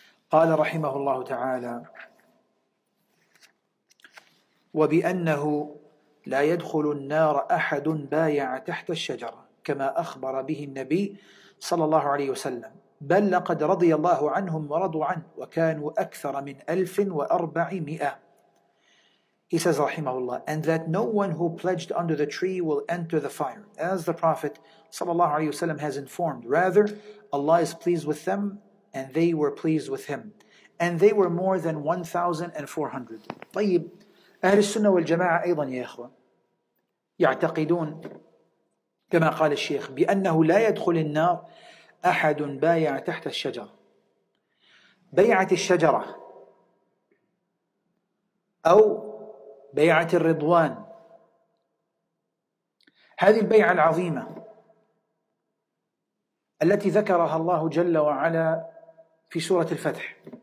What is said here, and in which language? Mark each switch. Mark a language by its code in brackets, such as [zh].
[ar] قال رحمه الله تعالى: وبأنه لا يدخل النار أحد بايع تحت الشجرة كما أخبر به النبي صلى الله عليه وسلم، بل لقد رضي الله عنهم ورضوا عنه وكانوا أكثر من 1400. [en] He says [ar] رحمه الله: [en] and that no one who pledged under the tree will enter the fire, as the Prophet [ar] صلى الله عليه وسلم [en] has informed. Rather, Allah is pleased with them and they were pleased with him, and they were more than 1,400. [ar] طيب، أهل السنة والجماعة أيضا يا إخوة يعتقدون كما قال الشيخ بأنه لا يدخل النار أحد بايع تحت الشجرة. بيعة الشجرة أو بيعة الرضوان، هذه البيعة العظيمة التي ذكرها الله جل وعلا في سورة الفتح.